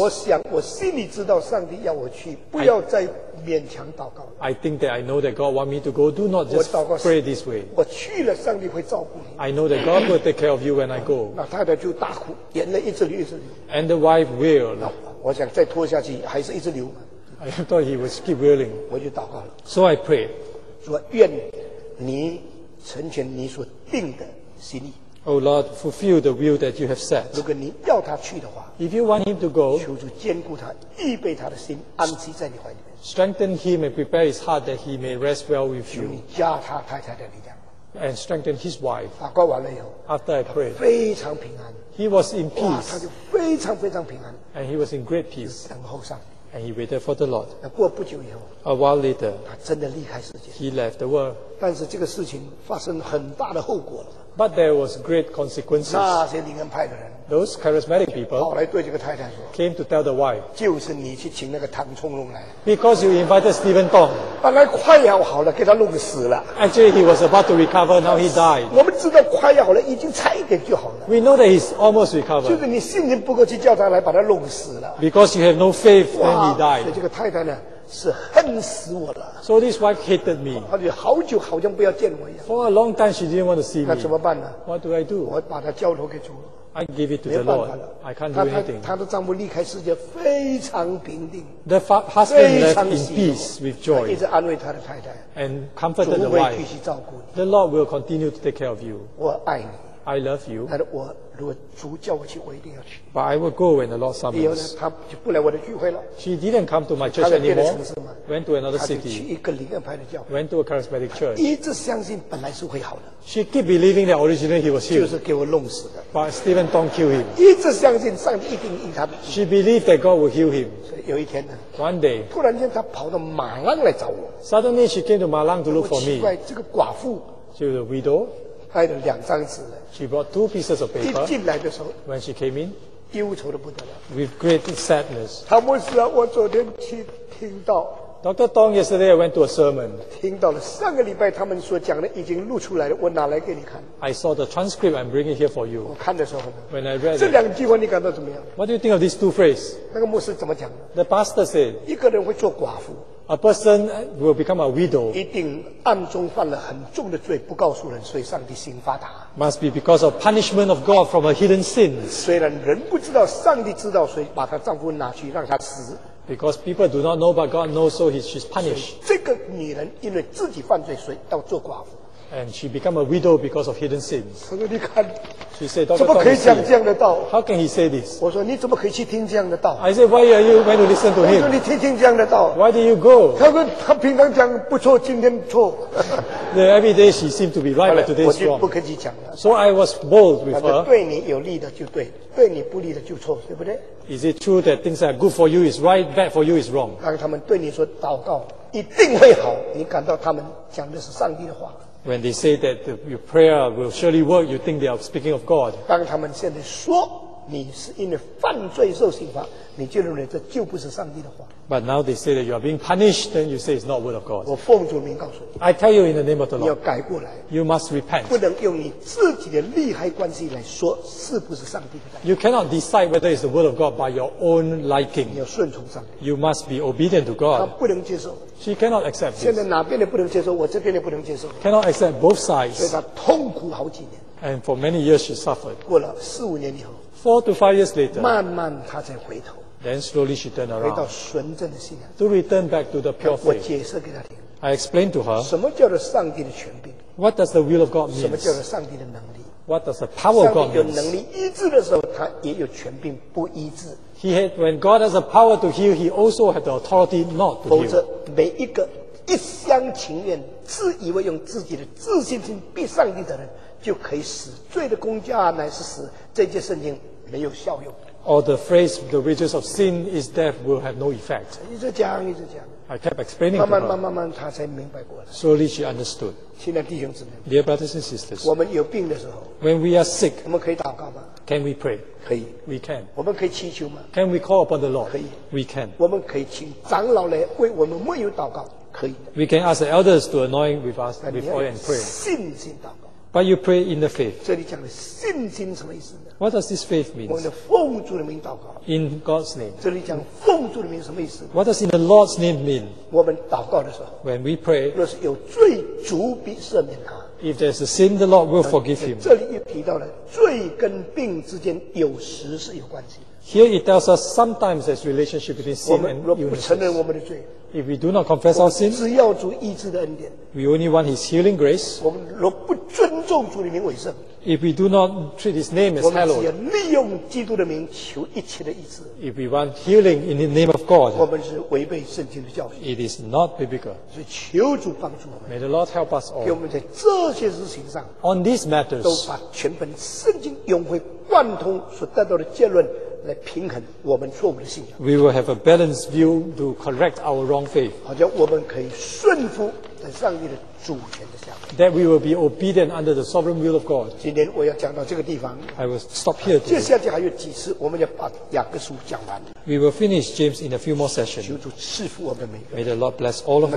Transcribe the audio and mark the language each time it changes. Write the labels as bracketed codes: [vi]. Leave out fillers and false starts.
[zh] 我想，我心里知道上帝要我去，不要再勉强祷告。 [en] I think that I know that God wants me to go. Do not just pray this way. [zh] 我去了，上帝会照顾你。 [en] I know that God will take care of you when I go. [zh] 那太太就大哭，眼泪一直流一直流。 [en] And the wife will. [zh] 那我想再拖下去，还是一直流。 [en] I thought he would keep wailing. [zh] 我就祷告了。 [en] So I prayed. [zh] 主啊，愿你成全你所定的心意。 [en] O Lord, fulfill the will that you have set. [zh] 如果你要他去的话， [en] if you want him to go, [zh] 求主坚固他，预备他的心，安息在你怀里面。 [en] Strengthen him and prepare his heart that he may rest well with you. [zh] 求你加他太太的力量。 [en] And strengthen his wife. [zh] 祷告完了以后， [en] after I prayed, [zh] 非常平安。 [en] He was in peace. [zh] 哇，他就非常非常平安。 [en] And he was in great peace. [zh] 等候上帝。 [en] And he waited for the Lord. [zh] 过不久以后， [en] a while later, [zh] 他真的离开世界。 [en] He left the world. [zh] 但是这个事情发生很大的后果了。 [en] But there was great consequences. [zh] 那些灵恩派的人， [en] those charismatic people [zh] 跑来对这个太太说， [en] came to tell the wife. [zh] 就是你去请那个唐冲龙来。 [en] Because you invited Stephen Tong. [zh] 本来快要好了，给他弄死了。 [en] Actually, he was about to recover. Now he died. [zh] 我们知道快要好了，已经差一点就好了。 [en] We know that he's almost recovered. [zh] 就是你信心不够，去叫他来把他弄死了。 [en] Because you have no faith, then he died. [zh] 所以这个太太呢？是恨死我了。 [en] So this wife hated me. [zh] 她就好久好像不要见我一样。 [en] For a long time she didn't want to see me. [zh] 那怎么办呢？ [en] What do I do? [zh] 我把她交托给主。 [en] I give it to the Lord. I can't do anything. [zh] 她的丈夫离开世界非常平定。 [en] The husband left in peace with joy. [zh] 一直安慰她的太太。 [en] And comforted the wife. [zh] 主会继续照顾你。 [en] The Lord will continue to take care of you. [zh] 我爱你。 [en] I love you. [zh] 但是我如果主叫我去，我一定要去。 [en] But I will go when the Lord summons. [zh] 以后呢，他就不来我的聚会了。 [en] She didn't come to my church anymore. [zh] 他在别的城市嘛。 [en] Went to another city. [zh] 去一个灵恩派的教会。 [en] Went to a charismatic church. [zh] 一直相信本来是会好的。 [en] She keep believing that originally he was healed. [zh] 就是给我弄死的。 [en] But Stephen don't kill him. [zh] 一直相信上帝一定医他的。 [en] She believed that God will heal him. [zh] 所以有一天呢。 [en] One day. [zh] 突然间，他跑到马浪来找我。 [en] Suddenly she came to Ma Lang to look for me. [zh] 奇怪，这个寡妇。 [en] She was a widow. [zh] 带了两张纸来。 [en] She brought two pieces of paper. [zh] 一进来的时候， [en] when she came in, [zh] 忧愁得不得了。 [en] With great sadness. [zh] 他牧师啊，我昨天去听到。 [en] Dr. Dong, yesterday I went to a sermon. [zh] 听到了上个礼拜他们所讲的已经录出来了，我拿来给你看。 [en] I saw the transcript. I'm bringing it here for you. [zh] 我看的时候， [en] when I read it, [zh] 这两句话你感到怎么样？ [en] What do you think of these two phrases? [zh] 那个牧师怎么讲的？ [en] The pastor said, [zh] 一个人会做寡妇。 [en] A person will become a widow. [zh] 一定暗中犯了很重的罪，不告诉人，所以上帝刑罚他。 [en] Must be because of punishment of God from a hidden sin. [zh] 虽然人不知道，上帝知道，所以把她丈夫拿去让她死。 [en] Because people do not know, but God knows, so she's punished. [zh] 这个女人因为自己犯罪，所以要做寡妇。 [en] And she become a widow because of hidden sins. [zh] 他说：“你看， [en] she said, [zh] 怎么可以讲这样的道？” [en] How can he say this? [zh] 我说：“你怎么可以去听这样的道？” [en] I said, Why are you going to listen to him? [zh] 我说：“你听听这样的道。” [en] Why do you go? [zh] 他说：“他平常讲不错，今天错。” [en] Every day she seemed to be right, but today is wrong. [zh] 我就不跟你讲了。 [en] So I was bold with her. [zh] 对你有利的就对，对你不利的就错，对不对？ [en] Is it true that things that are good for you is right, bad for you is wrong? [zh] 当他们对你说祷告一定会好，你感到他们讲的是上帝的话。 [en] When they say that your prayer will surely work, you think they are speaking of God. [zh] 当他们现在说你是因为犯罪受刑罚，你就认为这就不是上帝的话。 [en] But now they say that you are being punished, then you say it's not word of God. [zh] 我奉主名告诉你。 [en] I tell you in the name of the Lord. [zh] 你要改过来。 [en] You must repent. [zh] 不能用你自己的利害关系来说是不是上帝的。 [en] You cannot decide whether it's the word of God by your own liking. [zh] 你要顺从上帝。 [en] You must be obedient to God. [zh] 他不能接受。 [en] She cannot accept this. [zh] 现在哪边的不能接受，我这边的不能接受。 [en] Cannot accept both sides. [zh] 所以他痛苦好几年。 [en] And for many years she suffered. [zh] 过了四五年以后。 [en] Four to five years later. [zh] 慢慢他才回头。 [en] Then slowly she turned around. [zh] 回到纯正的信仰。 [en] To return back to the pure faith. [zh] 我解释给他听。 [en] I explained to her. [zh] 什么叫做上帝的权柄？ [en] What does the will of God mean? [zh] 什么叫做上帝的能力？ [en] What does the power of God mean? [zh] 上帝有能力医治的时候，他也有权柄不医治。 [en] He had, when God has the power to heal, he also had the authority not to heal. [zh] 否则每一个一厢情愿、自以为用自己的自信心逼上帝的人，就可以死。罪的工价乃是死。这节圣经没有效用。 [en] Or the phrase, the wages of sin is death, will have no effect. [zh] 一直讲，一直讲。 [en] I kept explaining. [zh] 慢慢，慢慢，慢，他才明白过来。 [en] Slowly she understood. [zh] 亲爱的弟兄姊妹。 [en] Dear brothers and sisters. [zh] 我们有病的时候。 [en] When we are sick. [zh] 我们可以祷告吗？ [en] Can we pray? [zh] 可以。 [en] We can. [zh] 我们可以祈求吗？ [en] Can we call upon the Lord? [zh] 可以。 [en] We can. [zh] 我们可以请长老来为我们没有祷告，可以。 [en] We can ask the elders to anoint with us with oil and pray. [zh] 信心祷告。 [en] But you pray in the faith. [zh] 这里讲的信心什么意思呢？ [en] What does this faith mean? [zh] 我们的奉主的名祷告。 [en] In God's name. [zh] 这里讲奉主的名什么意思？ [en] What does in the Lord's name mean? [zh] 我们祷告的时候。 [en] When we pray. [zh] 若是有罪，主必赦免他。 [en] If there's a sin, the Lord will forgive him. [zh] 这里又提到了罪跟病之间有时是有关系。 [en] Here it tells us sometimes there's relationship between sin and illness. [zh] 我们若不承认我们的罪。 [en] If we do not confess our sin, [zh] 只要主医治的恩典。 [en] We only want His healing grace. [zh] 我们若不尊重主的名为圣。 [en] If we do not treat His name as hallowed. [zh] 我们只要利用基督的名求一切的医治。 [en] If we want healing in the name of God. [zh] 我们是违背圣经的教训。 [en] It is not biblical. [zh] 所以求主帮助我们。 [en] May the Lord help us all. [zh] 给我们在这些事情上。 [en] On these matters. [zh] 都把全本圣经融会贯通所得到的结论。来平衡我们错误的信仰。 [en] We will have a balanced view to correct our wrong faith. [zh] 好像我们可以顺服在上帝的主权的下面。 [en] That we will be obedient under the sovereign will of God. [zh] 今天我要讲到这个地方。 [en] I will stop here. [zh] 接下去还有几次，我们要把雅各书讲完。 [en] We will finish James in a few more sessions. [zh] 求主赐福我们每个人。 [en] May the Lord bless all of us.